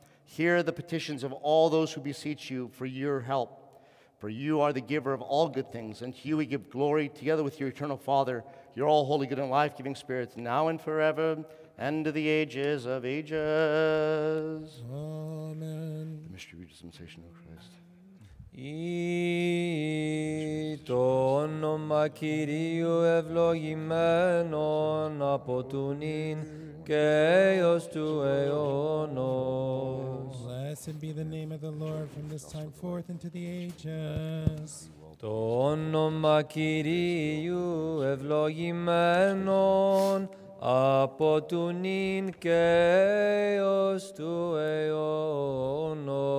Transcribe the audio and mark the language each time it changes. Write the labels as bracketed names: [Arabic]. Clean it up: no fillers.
[English] Hear the petitions of all those who beseech you for your help. For you are the giver of all good things, and to you we give glory, together with your eternal Father, your all-holy, good, and life-giving Spirit, now and forever, and to the ages of ages. Amen. The mystery of the dispensation of Christ. [Greek] Ή το όνομα Κυρίου ευλογημένον από του νυν και έως του αιώνος. [English] Blessed be the name of the Lord from this time forth into the ages. [Greek] Το όνομα Κυρίου ευλογημένον από του νυν και έως του αιώνος.